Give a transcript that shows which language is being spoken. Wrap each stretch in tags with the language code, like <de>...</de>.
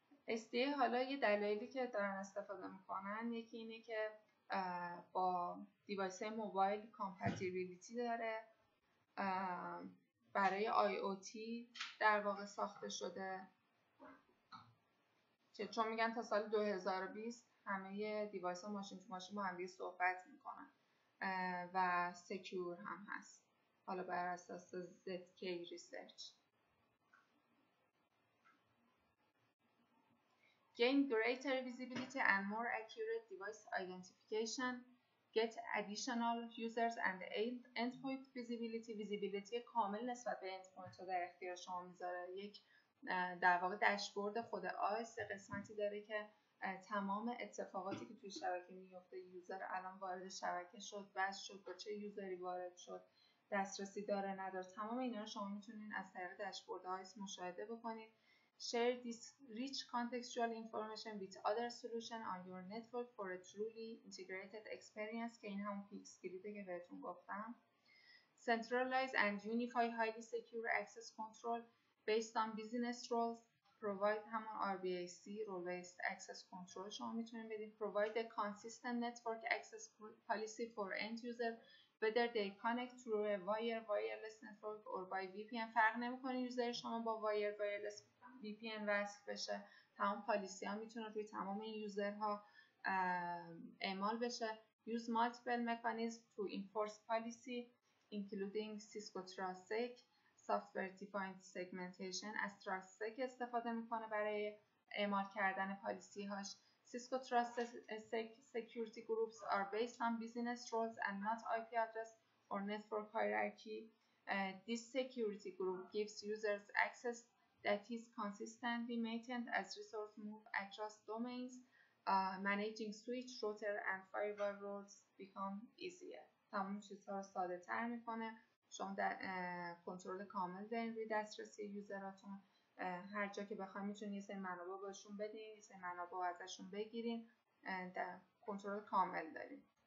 <fa>SDA حالا یه دلایلی که دارن استفاده میکنن، یکی اینه که با دیوایس های موبایل کامپتیبیلیتی داره، برای IoT در واقع ساخته شده، چون میگن تا سال 2020 همه یه دیوایس ها ماشین تو ماشین با هم دیگه صحبت میکنن و سکیور هم هست، حالا بر اساس ZK ریسرچ.</fa> <en>Gain greater visibility and more accurate device identification. Get additional users and endpoint visibility.</en> <fa>Visibility کامل نسبت به endpoint رو در اختیار شما میذاره. یک در واقع داشبورد خود آیس قسمتی داره که تمام اتفاقاتی که توی شبکه میفته، یوزر الان وارد شبکه شد، بس شد، با چه یوزری وارد شد، دسترسی داره نداره، تمام اینا رو شما میتونین از طریق داشبورد آیس مشاهده بکنید.</fa> <en>Share this rich contextual information with other solution on your network for a truly integrated experience.</en> <fa>که این هم پیکس گریده که بهتون گفتم.</fa> <en>Centralize and unify highly secure access control based on business roles.</en> <fa>Provide همون RBAC role-based access control شما میتونیم بدید.</fa> <en>Provide a consistent network access policy for end user whether they connect through a wireless network or by VPN.</en> <fa>فرق نمیکنه یوزر شما با wireless VPN وصل بشه، تمام پالیسی ها میتونه روی تمام این یوزر ها اعمال بشه.</fa> <en>Use multiple mechanisms to enforce policy including Cisco TrustSec, Software Defined Segmentation.</en> <fa>از TrustSec استفاده میکنه برای اعمال کردن پالیسی هاش.</fa> <en>Cisco TrustSec security groups are based on business roles and not IP address or network hierarchy. This security group gives users access that is consistently maintained as resource move across domains, managing switch, router and firewall roles become easier.</en> <fa>تمام چیزها رو ساده تر میکنه. شما در کنترل کامل دارین روی دسترسی یوزراتون. هر جا که بخواید میتونید یه سری منابع باشون بدین، یه سری منابع ازشون بگیرین. در کنترل کامل دارین.</fa>